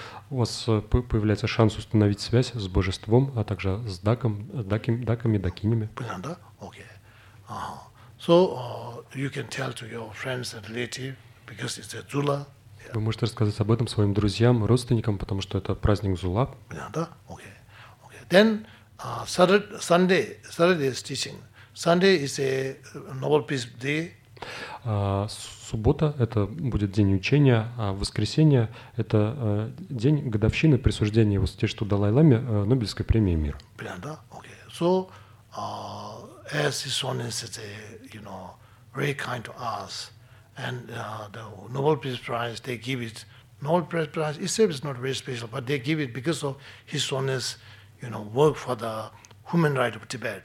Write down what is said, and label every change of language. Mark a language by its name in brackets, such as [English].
[Russian] У вас появляется шанс установить связь с божеством, а также с даком, даками, дакинями. Понятно, да? Okay. [English] So you can tell to your friends and relatives because it's a Zula. [Russian] Вы можете рассказать об этом своим друзьям, родственникам, потому что это праздник Зула. Понятно, да? Okay. Okay. [English] Then Saturday is teaching. Sunday is a Nobel Peace Day. [Russian] Суббота — это будет день учения, а воскресенье — это день годовщины присуждения его Сатишту Далай-Ламе Нобелевской премии мира. Понятно, да? Окей. [English] So, as His Holiness is, you know, very kind to us, and the Nobel Peace Prize, they give it, Nobel Peace Prize itself is not very special, but they give it because of His Holiness, you know, work for the human rights of Tibet.